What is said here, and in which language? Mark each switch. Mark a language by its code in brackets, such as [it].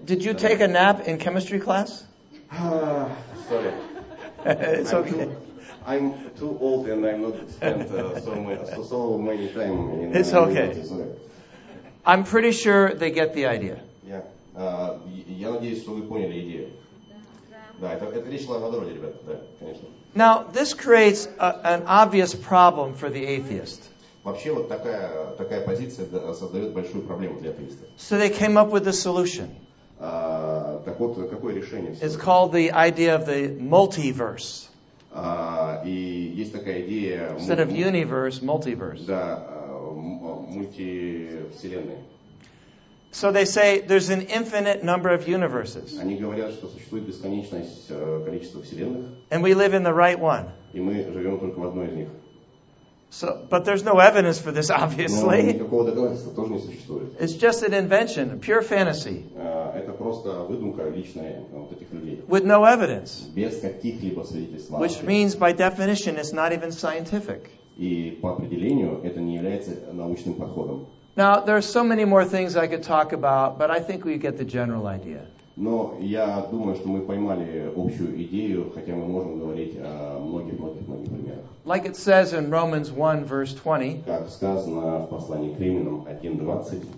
[en] Did you take a nap in chemistry class? Sorry. It's okay. I'm too old and I'm not spent so many time in it's okay. I'm pretty sure they get the idea. [ru] Я надеюсь, что вы поняли идею. Да, это речь шла о водороде, ребята, да, конечно. [en] Now, this creates an obvious problem for the atheist. [ru] Вообще, вот такая позиция создает большую проблему для атеиста. [en] So they came up with a solution. [ru] Так вот, какое решение? [en] It's called the idea of the multiverse. [ru] И есть такая идея... [en] Instead of universe, multiverse. [ru] Да, мультивселенной. [en] So they say there's an infinite number of universes. [ru] Они говорят, что существует бесконечность количества вселенных. [en] And we live in the right one. [ru] И мы живем только в одной из них. [en] So, but there's no evidence for this, obviously. [ru] Но никакого доказательства тоже не существует. [en] It's just an invention, a pure fantasy. [ru] Это просто выдумка личная вот этих людей. [en] With no evidence. [ru] Без каких-либо свидетельств. [en] Which means, by definition, it's not even scientific. [ru] И по определению это не является научным подходом. [en] Now, there are so many more things I could talk about, but I think we get the general idea. [ru] Но я думаю, что мы поймали общую идею, хотя мы можем говорить о многих примерах. [en] Like it says in Romans 1, verse 20. [ru] Как сказано в послании к Римлянам 1:20.